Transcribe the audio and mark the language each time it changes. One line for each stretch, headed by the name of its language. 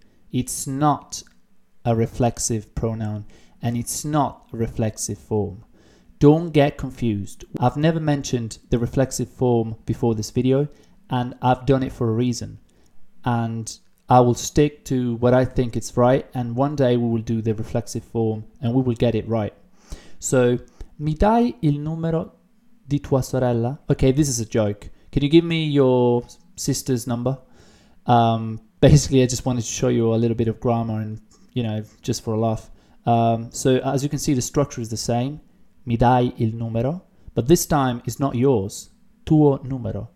English: It's not a reflexive pronoun and it's not a reflexive form. Don't get confused. I've never mentioned the reflexive form before this video and I've done it for a reason. And I will stick to what I think is right and one day we will do the reflexive form and we will get it right. So,
Italian: mi dai il numero di tua sorella?
English: Okay, this is a joke. Can you give me your sister's number? Basically, I just wanted to show you a little bit of grammar and, you know, just for a laugh. So as you can see, the structure is the same.
Italian: Mi dai il numero?
English: But this time, it's not yours.
Italian: Tuo numero.